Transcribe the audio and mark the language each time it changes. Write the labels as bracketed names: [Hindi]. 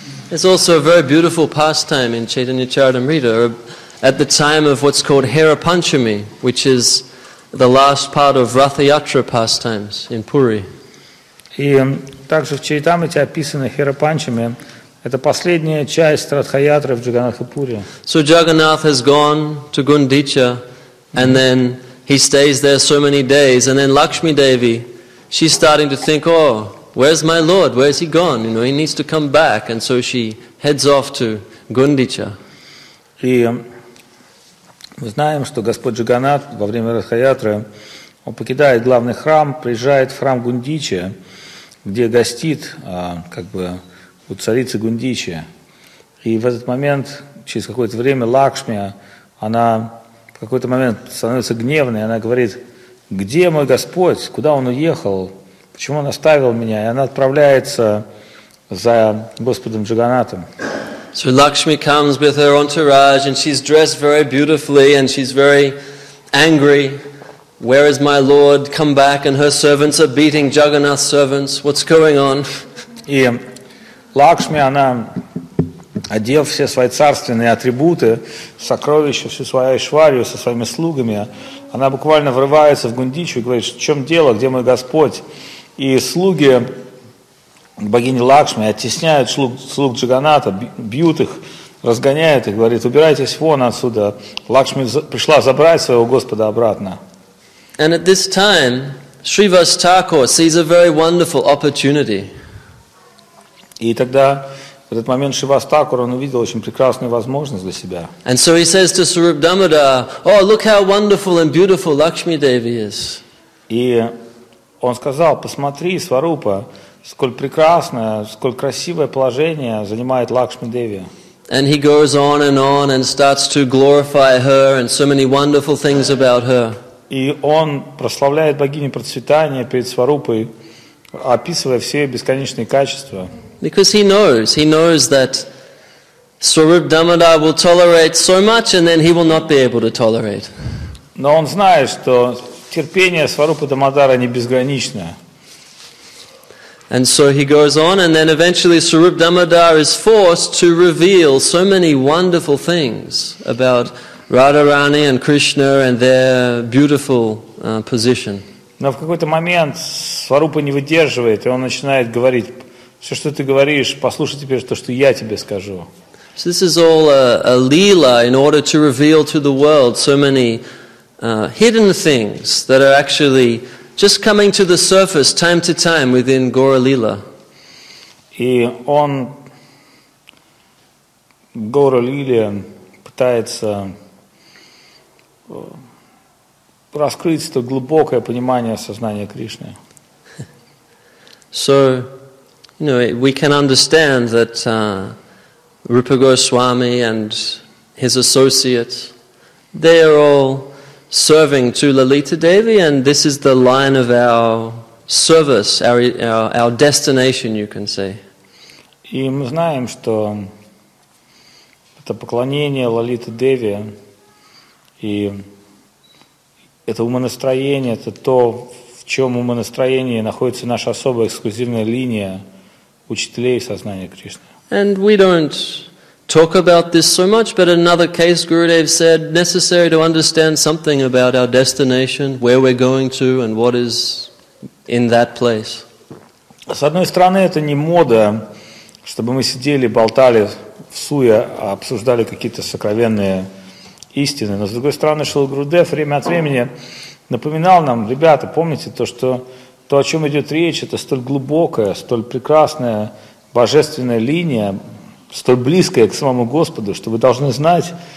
[English] It's also a very beautiful pastime in Chaitanya Charitamrita at the time of what's called Hara Panchami, which is the last part of Ratha Yatra pastimes in Puri. [Russian] И также в Чайтамрите описано Hara Panchami. Это последняя часть Ратха Ятры в Джаганнатхапуре. [English] So Jagannath has gone to Gundicha, and then he stays there so many days, and then Lakshmi Devi, she's starting to think, oh, where's my lord? Where is he gone? You know, he needs to come back. And so she heads off to Gundicha. [Russian] И мы знаем, что Господь Джаганнат во время Радхаятры, он покидает главный храм, приезжает в храм Гундича, где гостит как бы у царицы Гундичи. И в этот момент, через какое-то время, Лакшми, она в какой-то момент становится гневной, она говорит, где мой Господь? Куда он уехал? Почему он оставил меня? И она отправляется за Господом Джаганнатом. [English] So Lakshmi comes with her entourage, and she's dressed very beautifully, and she's very angry. Where is my lord? Come back! And her servants are beating Jagannath's servants. What's going on? [Russian] И Лакшми, она, одев все свои царственные атрибуты, сокровища, всю свою айшварию со своими слугами, она буквально врывается в Гундичу и говорит, в чем дело, где мой Господь? И слуги богини Лакшми оттесняют слуг Джаганната, бьют их, разгоняют их, говорит, убирайтесь вон отсюда. Лакшми пришла забрать своего Господа обратно. [English] And at this time, Shrivas Thakur sees a very wonderful opportunity. [Russian] И тогда, в этот момент, Шривас Такур, он увидел очень прекрасную возможность для себя. [English] And so he says to Sarup Damodar, oh, look how wonderful and beautiful Lakshmi Devi is. [Russian] И он сказал, посмотри, Сварупа, сколь прекрасное, сколь красивое положение занимает Лакшми Деви. [English] And he goes on and starts to glorify her and so many wonderful things about her. [Russian] И он прославляет богиню процветания перед Сварупой, описывая все бесконечные качества. [English] Because he knows that Sarup Damodar will tolerate so much and then he will not be able to tolerate. [Russian] Но он знает, что терпение Сварупы Дамодара не безграничное. [English] And so he goes on, and then eventually Sarup Damodar is forced to reveal so many wonderful things about Radharani and Krishna and their beautiful position. [Russian] Но в какой-то момент Сварупа не выдерживает, и он начинает говорить, все, что ты говоришь, послушай теперь то, что я тебе скажу. [English] So this is all a leela in order to reveal to the world so many hidden things that are actually just coming to the surface time to time within Gaura Lila. [Russian] И он в Гаура Лиле пытается раскрыть то глубокое понимание сознания Кришны. [English] So, you know, we can understand that Rupa Goswami and his associates, they are all serving to Lalita Devi, and this is the line of our service, our destination, you can say. [Russian] И мы знаем, что это поклонение Лалита Деви, и это умонастроение, это то, в чем умонастроении находится наша особая эксклюзивная линия учителей сознания Кришны. And we don't talk about this so much, but in another case, Gurudev said, necessary to understand something about our destination, where we're going to, and what is in that place. С одной стороны, это не мода, чтобы мы сидели, болтали в суе, обсуждали какие-то сокровенные истины. Но с другой стороны, Шрила Гурудев время от времени напоминал нам, ребята, помните, то, о чем идет речь, это столь глубокая, столь прекрасная божественная линия, столь близкое к самому Господу, что вы должны знать,